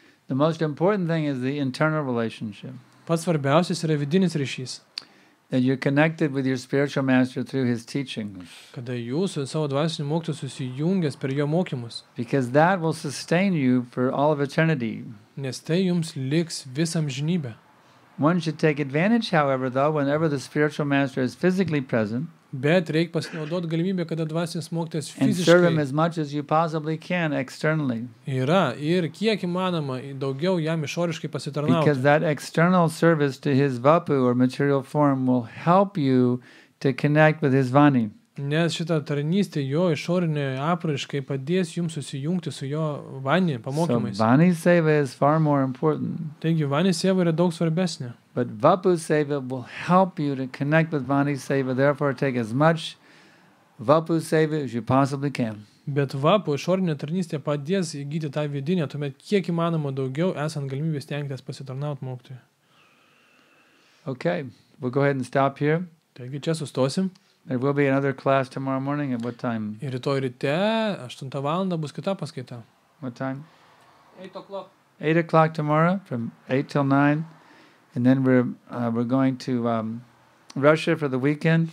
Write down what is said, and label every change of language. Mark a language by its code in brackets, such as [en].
[en] The most important thing is the internal relationship. [lt] Pats svarbiausias yra vidinis ryšys. [en] That you're connected with your spiritual master through his teachings. [lt] Kada jūs su savo dvasiniu mokytoju susijungęs per jo mokymus. [en] Because that will sustain you for all of eternity. [lt] Nes tai jums liks visam žinybę. [en] One should take advantage, however, though, whenever the spiritual master is physically present. [lt] Bet reik pasinaudot galimybę, kada dvasinis mokytojas fiziškai. [en] And serve him as much as you possibly can externally. [lt] Yra ir kiek įmanoma daugiau jam išoriškai pasitarnauti. [en] Because that external service to his vapu or material form will help you to connect with his vani. [lt] Nes šita tarnystė jo išorinė apraiškai padės jums susijungti su jo vani pamokymais. [en] So vani seva is far more important. [lt] Taigi vani seva yra daug svarbesnė. [en] But vapu seva will help you to connect with vani seva, therefore take as much vapu seva as you possibly can. [lt] Bet vapu išorinė tarnystė padės įgyti tą vidinę, tuomet kiek įmanoma daugiau esant galimybės stengtis pasitarnauti mokytojui. [en] Okay, we'll go ahead and stop here. [lt] Taigi čia sustosim. [en] There will be another class tomorrow morning at what time? [lt] Ir rytoj ryte, 8 valandą bus kita paskaita. [en] What time? 8 o'clock. 8 o'clock tomorrow, from 8 till 9, and then we're going to Russia for the weekend.